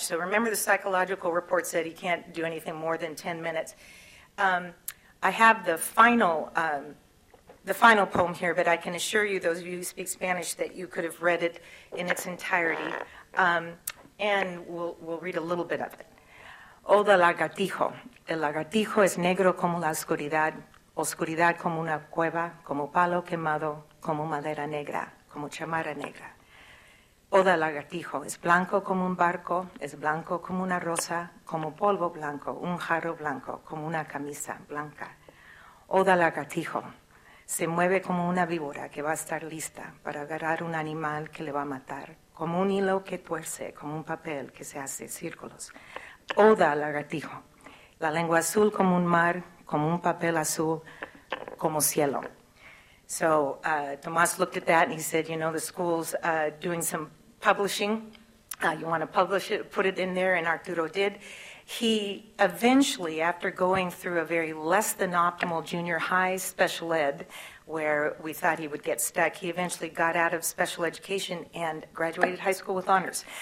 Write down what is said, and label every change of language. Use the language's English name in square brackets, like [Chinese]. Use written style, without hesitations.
[English] So remember, the psychological report said he can't do anything more than 10 minutes. I have the final poem here, but I can assure you, those of you who speak Spanish, that you could have read it in its entirety. And we'll read a little bit of it. [Spanish] Oda lagartijo. El lagartijo es negro como la oscuridad. Oscuridad como una cueva, como palo quemado, como madera negra, como chamara negra. Oda lagartijo, es blanco como un barco, es blanco como una rosa, como polvo blanco, un jarro blanco, como una camisa blanca. Oda lagartijo, se mueve como una víbora que va a estar lista para agarrar un animal que le va a matar, como un hilo que tuerce, como un papel que se hace círculos. Oda lagartijo, la lengua azul como un mar, como un papel azul, como cielo. [English] So Tomas looked at that and he said, "You know, the school's doing some publishing. You want to publish it, put it in there," and Arturo did. He eventually, after going through a very less than optimal junior high special ed, where we thought he would get stuck, he eventually got out of special education and graduated high school with honors.